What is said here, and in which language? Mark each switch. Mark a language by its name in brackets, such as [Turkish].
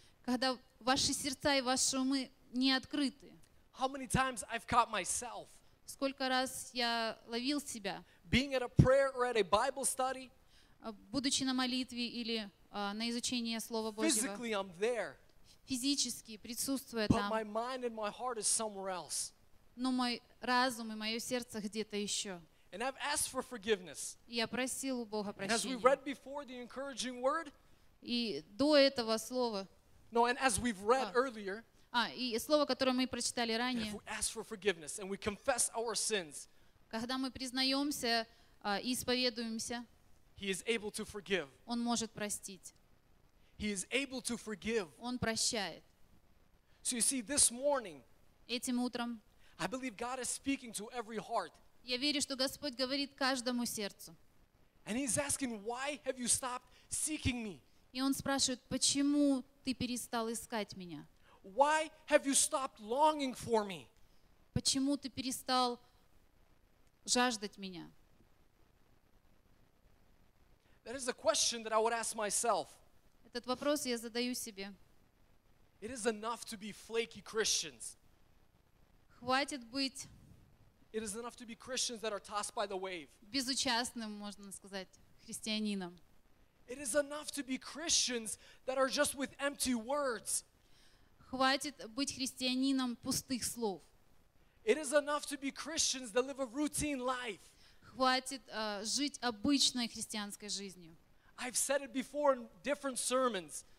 [Russian] Когда ваши сердца и ваши умы не открыты. [English] How many times I've caught myself? [Russian] Сколько раз я ловил себя? [English] Being at a prayer or at a Bible study. [Russian] Будучи на молитве или на изучении Слова Божьего. [English] Physically I'm there. [Russian] Физически присутствуя там. [English] But my mind and my heart is somewhere else. [Russian] Но мой разум и мое сердце где-то еще. [English] And I've asked for forgiveness. [Russian] Я просил у Бога прощения. [English] And as we read before the encouraging word. [Russian] И до этого слова. [English] No, and as we've read earlier. [Russian] А, и слово, которое мы прочитали ранее. [English] And if we ask for forgiveness and we confess our sins. [Russian] Когда мы признаемся и исповедуемся. [English] He is able to forgive. [Russian] Он может простить. [English] He is able to forgive. [Russian] Он прощает. [English] So you see, this morning. [Russian] Этим утром. [English] I believe God is speaking to every heart. [Russian] Я верю, что Господь говорит каждому сердцу. [English] And he's asking, "Why have you stopped seeking me?" [Russian] И он спрашивает, почему ты перестал искать меня? [English] Why have you stopped longing for me? [Russian] Почему ты перестал жаждать меня? [English] That is a question that I would ask myself. [Russian] Этот вопрос я задаю себе. [English] It is enough to be flaky Christians. [Russian] Хватит быть. [English] It is enough to be Christians that are tossed by the wave. [Russian] Безучастным, можно сказать, христианином. [English] It is enough to be Christians that are just with empty words. [Russian] Хватит быть христианином пустых слов. [English] It is enough to be Christians that live a routine life. [Russian] Хватит жить обычной христианской жизнью. [English] I've said it before in different sermons.